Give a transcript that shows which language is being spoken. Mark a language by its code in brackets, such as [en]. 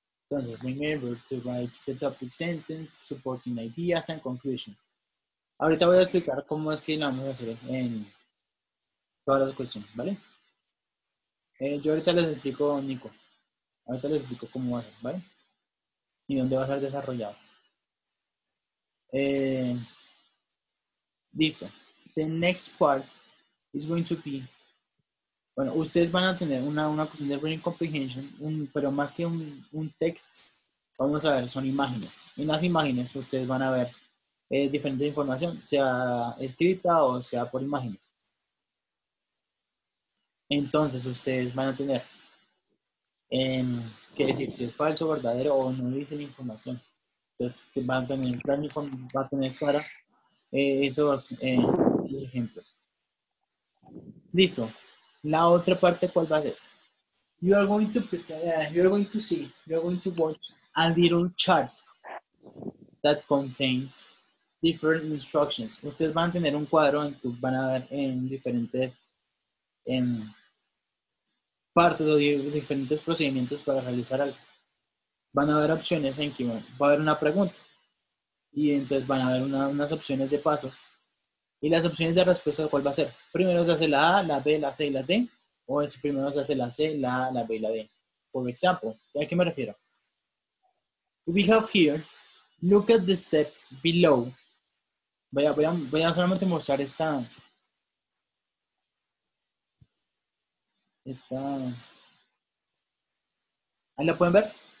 [es] Entonces, [en] remember to write the topic sentence, supporting ideas and conclusion. [es] Ahorita voy a explicar cómo es que lo vamos a hacer en todas las cuestiones, ¿vale? Yo ahorita les explico, Nico. Ahorita les explico cómo va a ser, ¿vale? Y dónde va a ser desarrollado. Listo. [en] The next part is going to be, [es] bueno, ustedes van a tener una cuestión de reading comprehension, pero más que un texto, vamos a ver, son imágenes. En las imágenes ustedes van a ver diferente información, sea escrita o sea por imágenes. Entonces ustedes van a tener que decir si es falso, verdadero o no dicen información. Entonces van a tener claro, va a tener clara esos los ejemplos. Listo. La otra parte, ¿cuál va a ser? [en] You are going to present, you are going to see, you are going to watch a little chart that contains different instructions. [es] Ustedes van a tener un cuadro en que van a ver en diferentes en partes o diferentes procedimientos para realizar algo. Van a ver opciones en que va a haber una pregunta. Y entonces van a haber unas opciones de pasos. Y las opciones de respuesta, ¿cuál va a ser? Primero se hace la A, la B, la C y la D. O es primero se hace la C, la A, la B y la D. Por ejemplo, ¿a qué me refiero? [en] We have here, look at the steps below. [es] Voy a solamente mostrar esta. ¿Ahí la pueden ver?